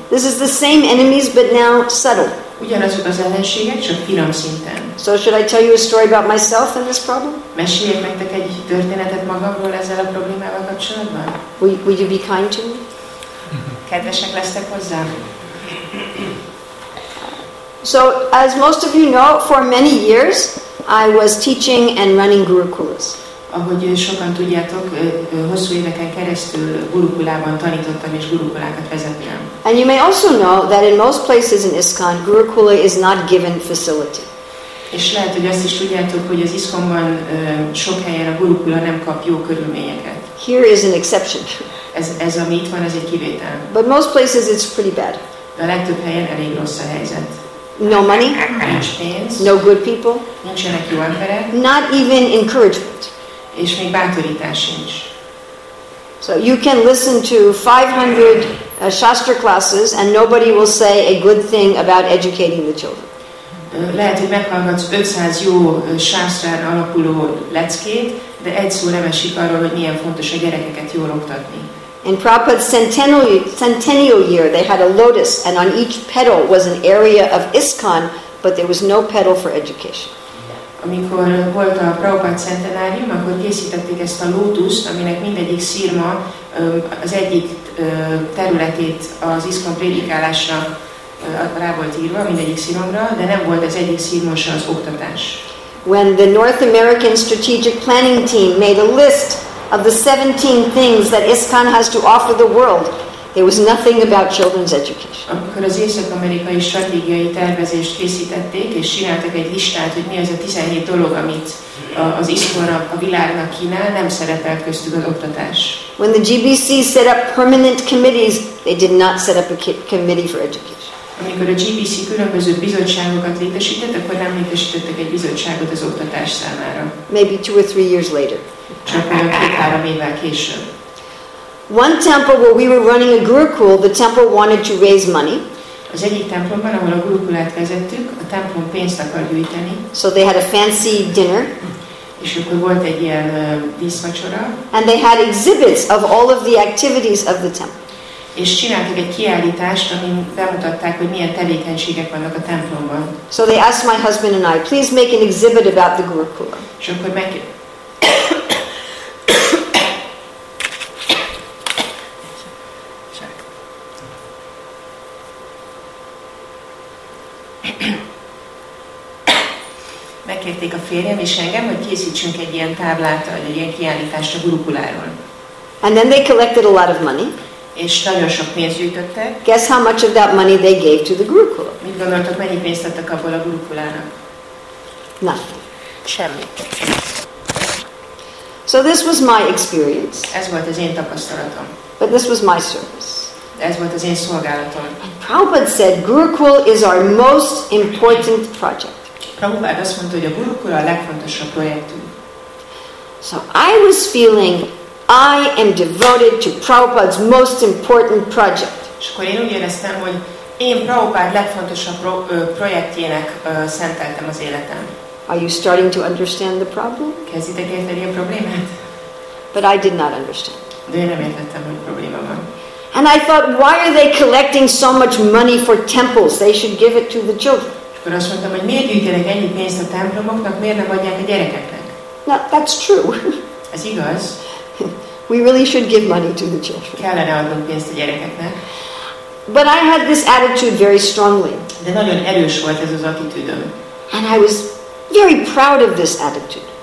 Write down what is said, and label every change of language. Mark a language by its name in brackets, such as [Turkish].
[English] This is the same enemies, but now subtle. [Hungarian] Ugyanazok az ellenségek, csak finom szinten. [English] So should I tell you a story about myself and this problem? [Hungarian] Meséljek nektek egy történetet magamról ezzel a problémával kapcsolatban? [English] Will you be kind to me? [Hungarian] Kedvesek lesztek hozzám? [English] So, as most of you know, for many years I was teaching and running gurukulas. [Hungarian] Ahogy sokan tudjátok, hosszú éveken keresztül gurukulában tanítottam és gurukulákat vezettem. [English] And you may also know that in most places in ISKCON, gurukula is not given facility. [Hungarian] És lehet, hogy azt is tudjátok, hogy az ISKCON-ban sok helyen a gurukula nem kap jó körülményeket. [English] Here is an exception. [Hungarian] Ez ami itt van, ez egy kivétel. [English] But most places it's pretty bad. [Hungarian] De a legtöbb helyen elég rossz a helyzet. [English] No money. [Hungarian] Nincs pénz. [English] No good people. [Hungarian] Nincsenek jó emberek. [English] Not even encouragement. [Hungarian] És még bátorítás sincs. [English] So you can listen to 500 shastra classes and nobody will say a good thing about educating the children. [Hungarian] Lehet, hogy meghallgatsz 500 jó sásztrán alapuló leckét, de egy szó nem esik arról, hogy milyen fontos a gyerekeket jól oktatni. [English] In Prabhupada's centennial year, they had a lotus and on each petal was an area of ISKCON, but there was no petal for education. [Hungarian] Amikor volt a Prabhupada centenárium, akkor készítették ezt a lótuszt, aminek mindegyik szirma az egyik területét az ISKCON prédikálásra rá volt írva, mindegyik szirmomra, de nem volt az egyik szirmosa az oktatás. [English] When the North American Strategic Planning Team made a list of the 17 things that ISKCON has to offer the world, there was nothing about children's education. [Hungarian] Amikor az észak-amerikai stratégiai tervezést készítették, és csináltak egy listát, hogy mi az a 17 dolog, amit az ISKCON a világnak kínál, nem szerepelt köztük az oktatás. [English] When the GBC set up permanent committees, they did not set up a committee for education. [Hungarian] Amikor a GBC különböző bizottságokat létesített, akkor nem létesítettek egy bizottságot az oktatás számára. [English] Maybe two or three years later. [Hungarian] Csak olyan 2-3 évvel később. [English] One temple where we were running a gurukul, the temple wanted to raise money. [Hungarian] Az egyik templomban, ahol a gurukulát vezettük, a templom pénzt akar gyűjteni. [English] So they had a fancy dinner. [Hungarian] És akkor volt egy ilyen díszvacsora. [English] And they had exhibits of all of the activities of the temple. [Hungarian] És csináltak egy kiállítást, amin bemutatták, hogy milyen tevékenységek vannak a templomban. [English] So they asked my husband and I, please make an exhibit about the gurukula. [Hungarian] És akkor meg... Megkérték a férjem és engem, hogy készítsünk egy ilyen táblát, vagy egy ilyen kiállítást a Gurukuláról. [English] And then they collected a lot of money. [Hungarian] És nagyon sok pénzt gyűjtöttek. [English] Guess how much of that money they gave to the Gurukula? [Hungarian] Mit gondoltok, mennyi pénzt adtak abból a Gurukulának? [English] Nothing. [Hungarian] Semmi. [English] So this was my experience. [Hungarian] Ez volt az én tapasztalatom. [English] But this was my service. [Hungarian] Ez volt az én szolgálatom. [English] And Prabhupada said, Gurukul is our most important project. [Hungarian] Prabhupada azt mondta, hogy a Gurukula a legfontosabb projektünk. [English] So I was feeling I am devoted to Prabhupada's most important project. [Hungarian] És akkor én úgy éreztem, hogy én Prabhupada legfontosabb projektjének szenteltem az életem. [English] Are you starting to understand the problem? [Hungarian] Kezditek érteni a problémát? [English] But I did not understand. [Hungarian] De én nem értettem, hogy probléma van. [English] And I thought, why are they collecting so much money for temples? They should give it to the children. [Hungarian] És akkor azt mondtam, hogy miért gyűjtenek ennyi pénzt a templomoknak, miért nem adják a gyerekeknek? [English] No, that's true. [Hungarian] Ez igaz. [English] We really should give money to the children. [Hungarian] Kellene adnunk pénzt a gyerekeknek. [English] But I had this attitude very strongly. [Hungarian] De nagyon erős volt ez az attitűdöm. [English] And I was very proud of this attitude.